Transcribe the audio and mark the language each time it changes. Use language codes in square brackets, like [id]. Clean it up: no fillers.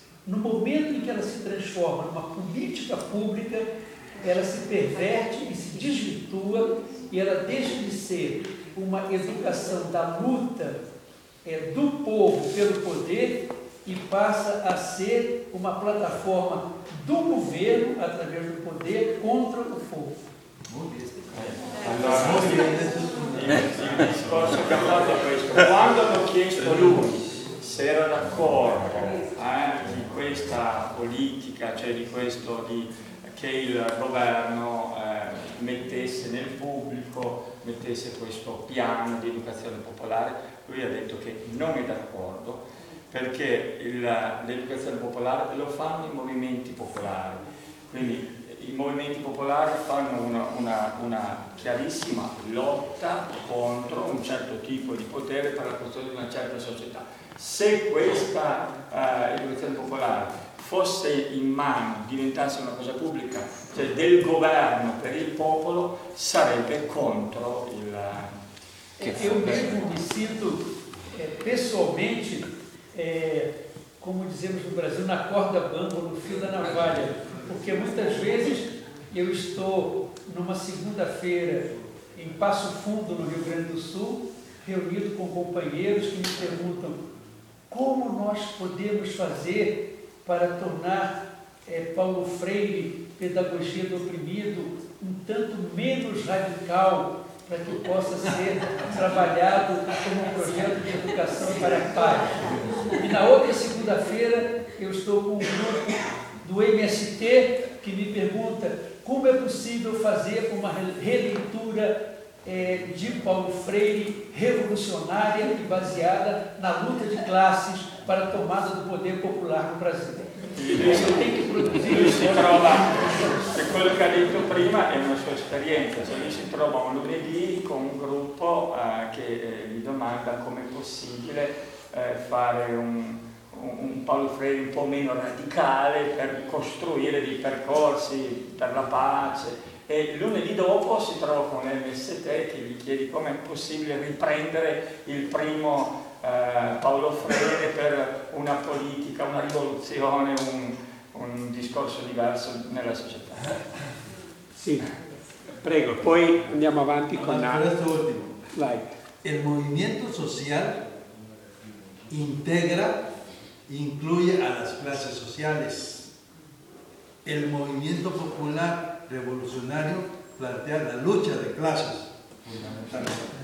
[pt] No momento em que ela se transforma numa política pública, ela se perverte e se desvirtua e ela deixa de ser uma educação da luta do povo pelo poder e passa a ser uma plataforma do governo, através do poder, contra o povo. [it] Quando hanno chiesto a lui se era d'accordo di questa politica, cioè di questo di, che il governo mettesse nel pubblico, mettesse questo piano di educazione popolare, lui ha detto che non è d'accordo, perché l'educazione popolare lo fanno i movimenti popolari. Quindi i movimenti popolari fanno una chiarissima lotta contro un certo tipo di potere per la costruzione di una certa società. Se questa educazione popolare fosse in mano, diventasse una cosa pubblica, cioè del governo per il popolo, sarebbe contro il... Che io [pt] mesmo [it] mi sento personalmente, [pt] come dizemos no Brasil, na corda bamba, no fio da navalha, [it] perché [pt] muitas vezes eu estou numa segunda-feira em Passo Fundo, no Rio Grande do Sul, reunido com companheiros que me perguntam como nós podemos fazer para tornar Paulo Freire, Pedagogia do Oprimido, um tanto menos radical, para que possa ser trabalhado como um projeto de educação para a paz. E na outra segunda-feira eu estou com um grupo do MST que me pergunta como é possível fazer uma releitura de Paulo Freire revolucionária e baseada na luta de classes para a tomada do poder popular no Brasil. Isso tem que produzir. [it] Lui si trova, e quello che ha detto prima è una sua esperienza, cioè lui si trova un lunedì con un gruppo che gli domanda come è possibile fare un Paulo Freire un po' meno radicale per costruire dei percorsi per la pace, e lunedì dopo si trova con MST che gli chiede come è possibile riprendere il primo Paulo Freire per una politica, una rivoluzione, un discorso diverso nella società. Sì, prego, poi andiamo avanti con altro. Il movimento sociale integra, [es] incluye a las clases sociales. El movimiento popular revolucionario plantea la lucha de clases, fundamentalmente.